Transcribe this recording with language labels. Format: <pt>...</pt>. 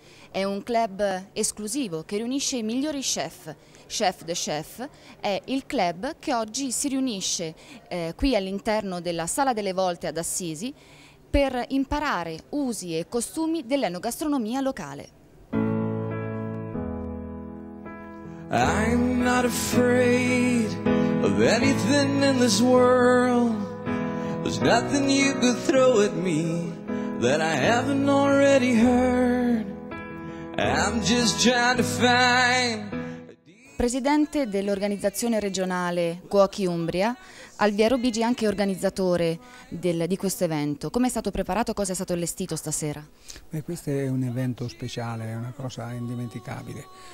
<it>È un club esclusivo che riunisce i migliori chef. Chef de Chef è il club che oggi si riunisce qui all'interno della Sala delle Volte ad Assisi per imparare usi e costumi dell'enogastronomia locale.</it> <en>I'm not afraid of anything in this world. There's nothing you could throw at me that I haven't already heard. I'm just trying to find.</en> <it>Presidente dell'organizzazione regionale Cuochi Umbria, Alviero Bigi, anche organizzatore di questo evento. Come è stato preparato? Cosa è stato allestito stasera? Beh, questo è un evento speciale, è una cosa indimenticabile.</it>